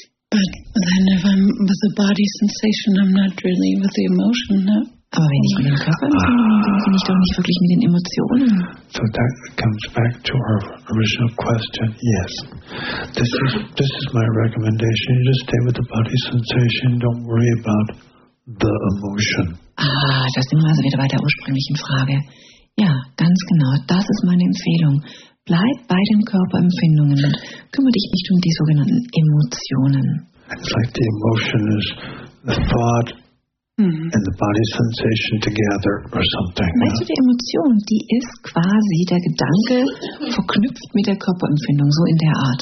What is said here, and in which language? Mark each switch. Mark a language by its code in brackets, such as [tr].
[en] But then if I'm with the body sensation, I'm not really with the emotion. No? [de] Aber wenn ich mit dem Körper bin, bin ich doch nicht wirklich mit den Emotionen. [en] So that comes back to our original question. Yes. This is my recommendation. You just stay with the body sensation. Don't worry about the emotion. [de] Ah, da sind wir also wieder bei der ursprünglichen Frage. Ja, ganz genau. Das ist meine Empfehlung. Bleib bei den Körperempfindungen und kümmere dich nicht um die sogenannten Emotionen. [en] It's like the emotion is the thought and the body sensation together or something. [de] Weißt du, die Emotion, die ist quasi der Gedanke verknüpft mit der Körperempfindung, so in der Art.